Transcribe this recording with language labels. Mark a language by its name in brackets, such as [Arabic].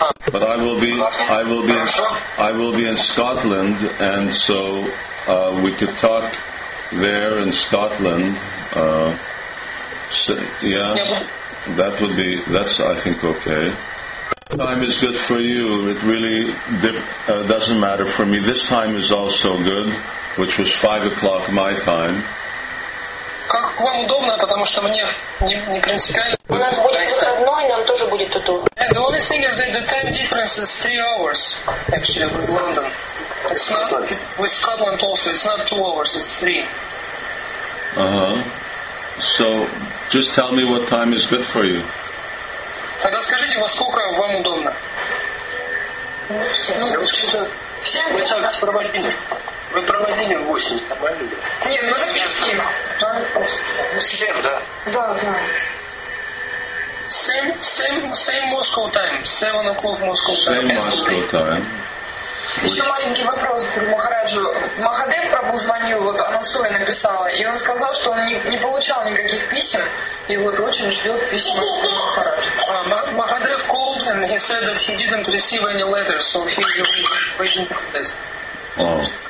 [English] But I will be in Scotland, and so we could talk there in Scotland, that's I think okay. Time is good for you. It really doesn't matter for me. This time is also good, which was 5 o'clock my time. [Russian] Как вам удобно, потому что мне не принципиально. У нас будет выходной, и нам тоже будет удобно. [English] The only thing is that the time difference is 3 hours, actually, with London. It's not with Scotland also. It's not 2 hours. It's 3. So, just tell me what time is good for you. [Russian] Тогда скажите, во сколько вам удобно? Ну, все. Все. Вы проводили 8. Нет, мы же 5. 7, да? Да, да. [English] Same Moscow time. 7 o'clock Moscow time. Same Moscow time. [Russian] Еще маленький вопрос к Махараджу. Махадев Прабу звонил, вот Анасуя написала, и он сказал, что он не получал никаких писем, и вот очень ждет письма Махараджу. [English] Махадев called and he said that he didn't receive any letters, so he was waiting for that.